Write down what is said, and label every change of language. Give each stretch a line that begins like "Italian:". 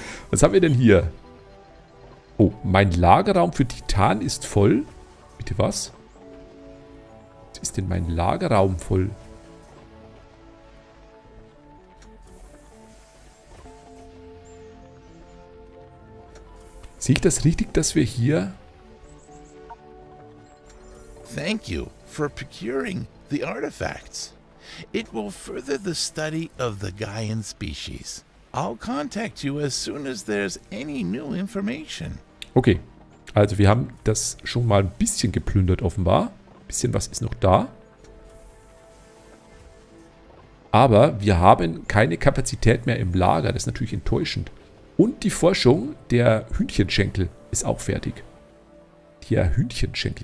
German: Was haben wir denn hier? Oh, mein Lagerraum für Titan ist voll. Bitte was? Was ist denn mein Lagerraum voll? Sehe ich das richtig, dass wir hier...
English: Thank you for procuring the artifacts. It will further the study of the Gaian species. I'll contact you as soon as there's any new information.
German: Okay, also wir haben das schon mal ein bisschen geplündert offenbar. Ein bisschen was ist noch da. Aber wir haben keine Kapazität mehr im Lager. Das ist natürlich enttäuschend. Und die Forschung der Hühnchenschenkel ist auch fertig. Der Hühnchenschenkel.